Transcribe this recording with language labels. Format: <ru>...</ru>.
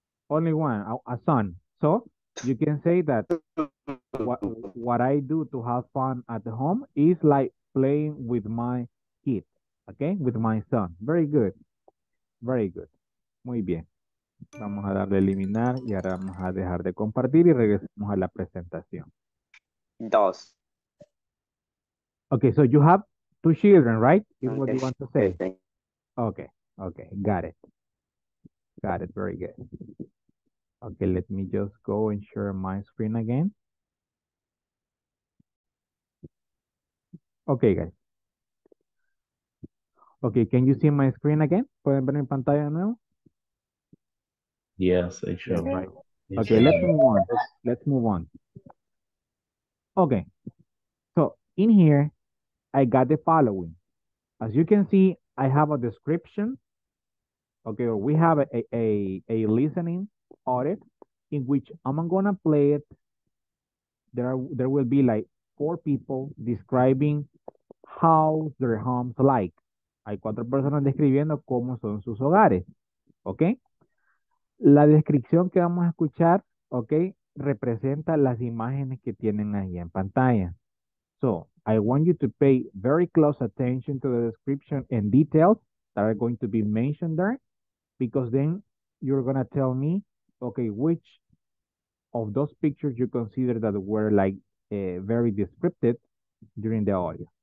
<en>Only one, a son. So, you can say that what I do to have fun at home is like playing with my kid, okay? With my son. Very good. Very good.</en> <es>Muy bien. Vamos a darle eliminar y ahora vamos a dejar de compartir y regresamos a la presentación. Dos.</es> <en>Okay, so you have two children, right? Is okay. What you want to say. Okay, got it. Got it, very good. Okay, let me just go and share my screen again. Okay, guys. Okay, can you see my screen again?</en> <es>¿Pueden ver mi pantalla de nuevo?</es> <en>Yes, it should. Right. Okay, let's move on. Okay, so in here, I got the following. As you can see, I have a description. Okay, or we have a listening audit in which I'm gonna play it. There will be like four people describing how their homes like.</en> <es>Hay cuatro personas describiendo cómo son sus hogares. Okay. La descripción que vamos a escuchar, ok, representa las imágenes que tienen ahí en pantalla.</es> <en>So, I want you to pay very close attention to the description and details that are going to be mentioned there, because then you're going to tell me, okay, which of those pictures you consider that were like very descriptive during the audio.</en>